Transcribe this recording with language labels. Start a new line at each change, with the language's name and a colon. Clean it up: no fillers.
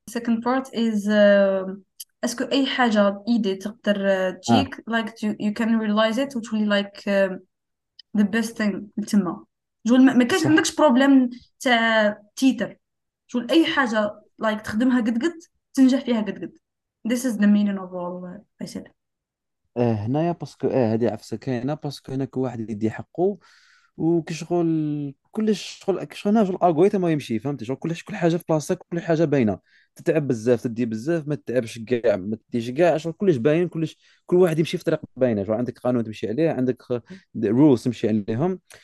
English: second part is
Arabic: اسكو اي حاجة ايدي تقدر تجيك
English: like you can realize it
Arabic: وتولي
English: like the best thing
Arabic: تما، شغل ما كانش صح عندكش problem تاع تيتر، شغل اي حاجة like تخدمها قد قد تنجح فيها قد قد.
English: This is the meaning of all I said.
Arabic: هنايا باسكو هذه عفسه كاينه، باسكو هناك واحد يدي حقه وكشغل كلش شغل كشغل هنا شغل الالغوريثم ما يمشي، فهمت شغل كلش كل حاجه في بلاصتك كل حاجه باينه، تتعب بزاف تدي بزاف ما تتعبش كاع ما تديش كاع، شغل كلش باين كلش كل واحد يمشي في طريق باينه، شغل عندك قانون تمشي عليه عندك رولز تمشي عليهم.